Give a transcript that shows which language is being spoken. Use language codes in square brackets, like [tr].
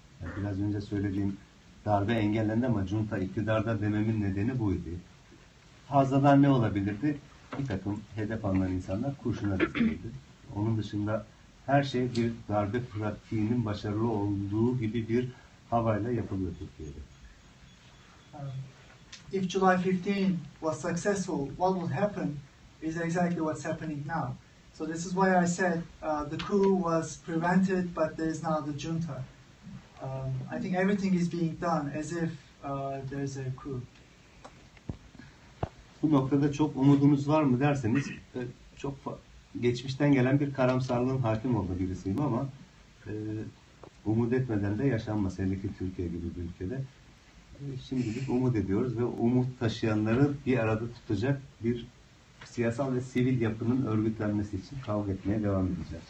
[tr] Yani biraz önce söylediğim darbe engellendi ama junta iktidarda dememin nedeni buydu. Fazladan ne olabilirdi? Bir takım hedef alınan insanlar kurşuna dizilirdi. Onun dışında her şey bir darbe pratiğinin başarılı olduğu gibi bir havayla yapılıyor Türkiye'de. [en] If July 15 was successful, what would happen is exactly what's happening now. So this is why I said the coup was prevented, but there is now the junta. I think everything is being done as if there is a coup. [tr] Bu noktada çok umudunuz var mı derseniz, çok geçmişten gelen bir karamsarlığın hakim oldu birisiyim ama umut etmeden de yaşanmaz. Hele ki Türkiye gibi bir ülkede. Şimdilik umut ediyoruz ve umut taşıyanları bir arada tutacak bir siyasal ve sivil yapının örgütlenmesi için kavga etmeye devam edeceğiz.